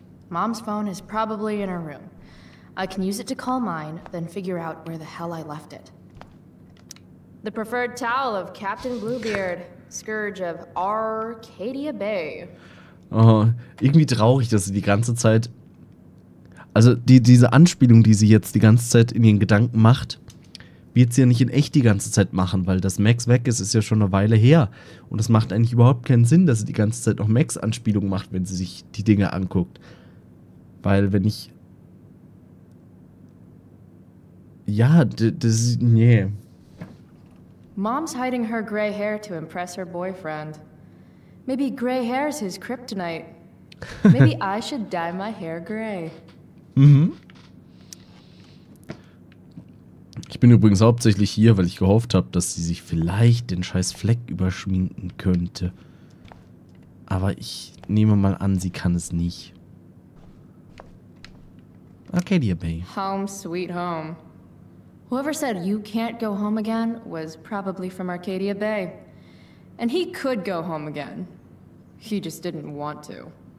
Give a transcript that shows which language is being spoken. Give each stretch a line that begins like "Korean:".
English: Mom's phone is probably in her room. I can use it to call mine, then figure out where the hell I left it. The preferred towel of Captain Bluebeard, Scourge of Arcadia Bay.
German: Oh, irgendwie traurig, dass sie die ganze Zeit... Also diese Anspielung, die sie jetzt die ganze Zeit in ihren Gedanken macht, wird sie ja nicht in echt die ganze Zeit machen, weil das Max weg ist, ist ja schon eine Weile her. Und es macht eigentlich überhaupt keinen Sinn, dass sie die ganze Zeit noch Max-Anspielungen macht, wenn sie sich die Dinge anguckt. Weil wenn ich... Ja, das ist... Nee.
English: Mom's hiding her gray hair to impress her boyfriend. Maybe gray hair is his kryptonite. Maybe I should dye my hair gray. Mhm.
German: Ich bin übrigens hauptsächlich hier, weil ich gehofft habe, dass sie sich vielleicht den scheiß Fleck überschminken könnte. Aber ich nehme mal an, sie kann es nicht.
English: Okay, dear Bay. Home sweet home. Whoever said you can't go home again was probably from Arcadia Bay. And he could go home again. He just didn't want to.